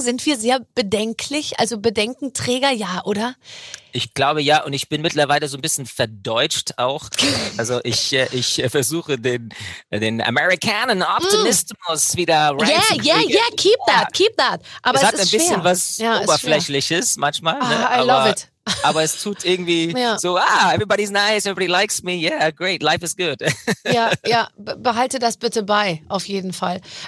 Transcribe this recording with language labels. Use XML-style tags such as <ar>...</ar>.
<de>Sind wir sehr bedenklich, also Bedenkenträger, ja, oder? Ich glaube ja, und ich bin mittlerweile so ein bisschen verdeutscht auch. Also ich versuche den Amerikanen Optimismus wieder reinzukriegen.</de> <en>Yeah, keep that.</en> <de>Aber es hat ein bisschen schwer. Oberflächliches manchmal. Ne?</de> <en>Ah, I love it.</en> <de>Aber es tut irgendwie</de> <en>everybody's nice, everybody likes me, yeah, great, life is good.</en> <de>ja, behalte das bitte bei, auf jeden Fall.</de>